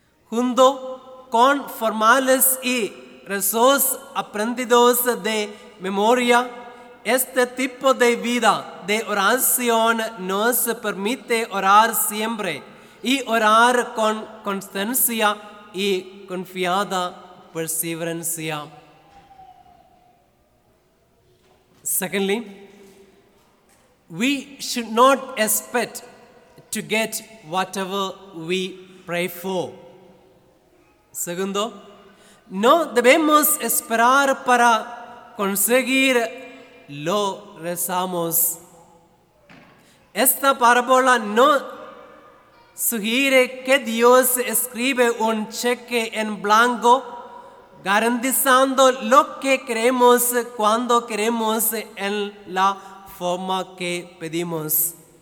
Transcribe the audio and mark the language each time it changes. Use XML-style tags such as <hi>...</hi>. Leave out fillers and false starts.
<es>Junto con formales y rezos aprendidos de memoria, este tipo de vida de oración nos permite orar siempre y orar con constancia y confiada perseverancia.</es> <en>Secondly, we should not expect to get whatever we pray for.</en> <es>Segundo, no debemos esperar para conseguir lo que rezamos. Esta parábola no sugiere que Dios escribe un cheque en blanco garantizando lo que queremos cuando queremos en la forma que pedimos.</es>